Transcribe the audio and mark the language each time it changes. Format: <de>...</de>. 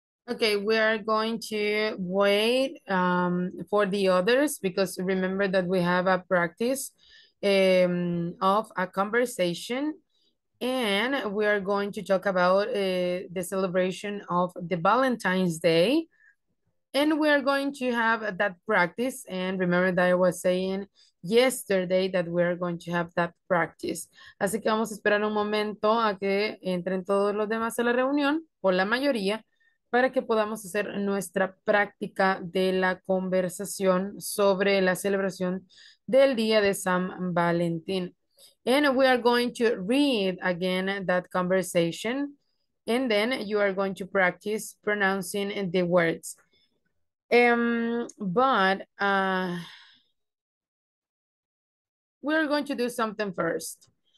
<en>Okay, we are going to wait for the others because remember that we have a practice of a conversation, and we are going to talk about the celebration of the Valentine's Day, and we are going to have that practice. And remember that I was saying yesterday that we are going to have that practice.</en> <es>Así que vamos a esperar un momento a que entren todos los demás a la reunión, o la mayoría, para que podamos hacer nuestra práctica de la conversación sobre la celebración del día de San Valentín.</es> <en>And we are going to read again that conversation, and then you are going to practice pronouncing the words. We are going to do something first.</en>